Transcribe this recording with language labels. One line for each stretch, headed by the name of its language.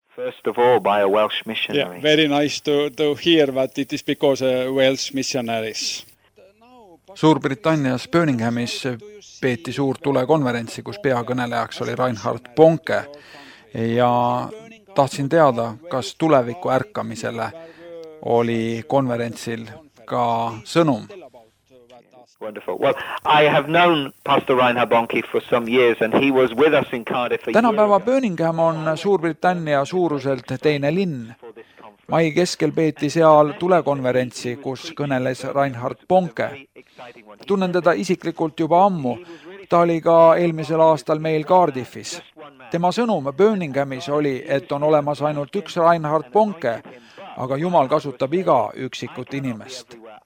English: First of all, by a Welsh missionary. Yeah, very nice to hear that it is because a Welsh missionaries.
Estonian: Suurbritannias Birminghamis peeti suur tulekonverentsi, kus peakõnelejaks oli Reinhard Bonke ja tahtsin teada, kas tuleviku ärkamisele oli konverentsil ka sõnum.
English: Wonderful. Well, I have known Pastor Reinhard Bonnke for some years and he was with us in Cardiff.
Estonian: Tänapäeva Birmingham on Suurbritannia suuruselt teine linn. Mai keskel peeti seal tulekonverentsi, kus kõneles Reinhard Bonnke. Tunnen teda isiklikult juba ammu. Ta oli ka eelmisel aastal meil Cardiffis. Tema sõnum Birminghamis oli, et on olemas ainult üks Reinhard Bonnke, aga Jumal kasutab iga üksikut inimest.